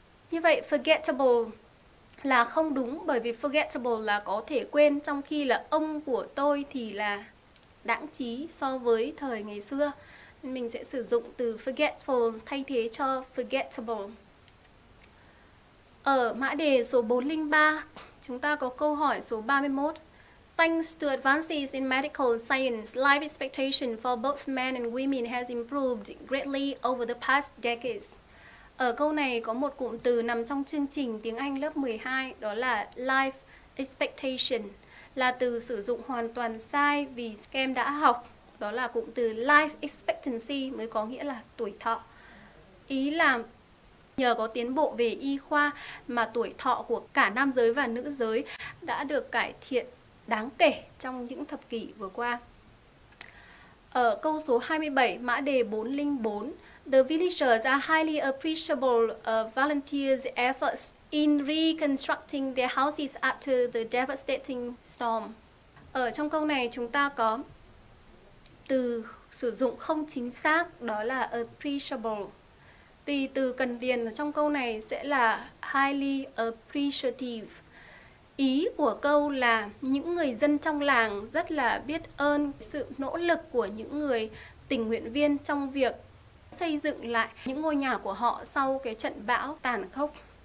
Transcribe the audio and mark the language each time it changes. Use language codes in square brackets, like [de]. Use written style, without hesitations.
[vi] Như vậy forgettable là không đúng, bởi vì forgettable là có thể quên, trong khi là ông của tôi thì là đãng trí so với thời ngày xưa. Nên mình sẽ sử dụng từ forgetful thay thế cho forgettable. Ở mã đề số 403, chúng ta có câu hỏi số 31. [en] Thanks to advances in medical science, life expectation for both men and women has improved greatly over the past decades. [vi] Ở câu này có một cụm từ nằm trong chương trình tiếng Anh lớp 12, đó là life expectation, là từ sử dụng hoàn toàn sai vì các em đã học. Đó là cụm từ life expectancy mới có nghĩa là tuổi thọ. Ý là nhờ có tiến bộ về y khoa mà tuổi thọ của cả nam giới và nữ giới đã được cải thiện đáng kể trong những thập kỷ vừa qua. Ở câu số 27, mã đề 404, [en] the villagers are highly appreciable of volunteers' efforts in reconstructing their houses after the devastating storm. [vi] Ở trong câu này chúng ta có từ sử dụng không chính xác, đó là appreciable. Vì từ cần điền ở trong câu này sẽ là highly appreciative. Ý của câu là những người dân trong làng rất là biết ơn sự nỗ lực của những người tình nguyện viên trong việc xây dựng lại những ngôi nhà của họ sau cái trận bão tàn khốc.